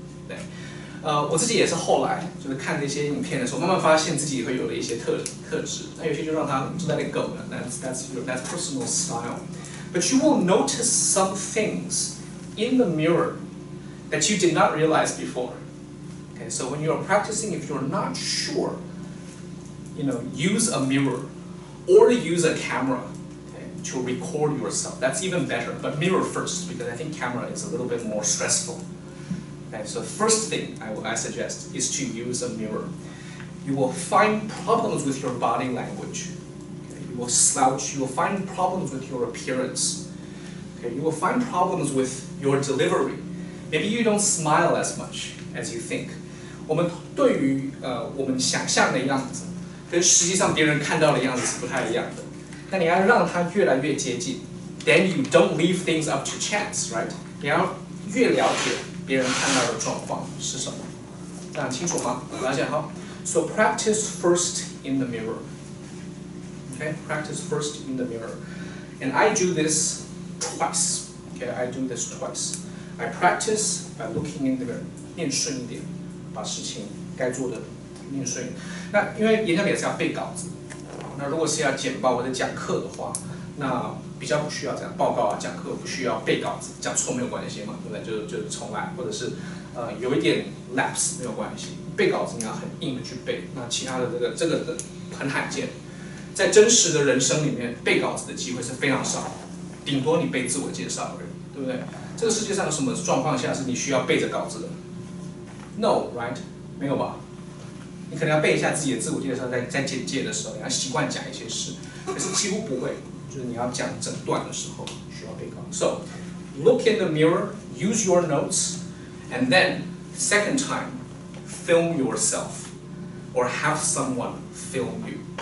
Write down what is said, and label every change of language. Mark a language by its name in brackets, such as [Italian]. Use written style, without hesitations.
[Chinese] 对，我自己也是后来就是看那些影片的时候，慢慢发现自己会有了一些特质。那有些就让他就在那里 go 了。 [English] That's personal style. But you will notice some things in the mirror that you did not realize before. Okay, so when you are practicing, if you're not sure, you know, use a mirror or use a camera, okay, to record yourself. That's even better. But mirror first, because I think camera is a little bit more stressful. Okay, so first thing I suggest is to use a mirror. You will find problems with your body language. Okay, you will slouch. You will find problems with your appearance. Okay, you will find problems with your delivery. Maybe you don't smile as much as you think. [Chinese] 我们对于我们想象的样子跟实际上别人看到的样子是不太一样的。那你要让它越来越接近。 [English] Then you don't leave things up to chance, right? [Chinese] 你要越了解别人看到的状况是什么，大家清楚吗？了解好。 [English] So practice first in the mirror. Okay, practice first in the mirror. And I do this twice. Okay, I do this twice. I practice by looking in the mirror. [Chinese] 念顺一点，把事情该做的念顺。那因为演讲也是要背稿子，那如果是要简报或者讲课的话，那比较不需要这样报告啊，讲课不需要背稿子，讲错没有关系嘛，对不对？就重来，或者是有一点 lapse 没有关系。背稿子你要很硬的去背，那其他的这个很罕见，在真实的人生里面，背稿子的机会是非常少，顶多你背自我介绍而已，对不对？这个世界上有什么状况下是你需要背着稿子的 ？ [English] No, right？ [Chinese] 没有吧？你可能要背一下自己的自我介绍，在简介的时候，你要习惯讲一些事，可是几乎不会。就是你要讲整段的时候需要背稿。 [English] So, look in the mirror, use your notes, and then second time, film yourself, or have someone film you.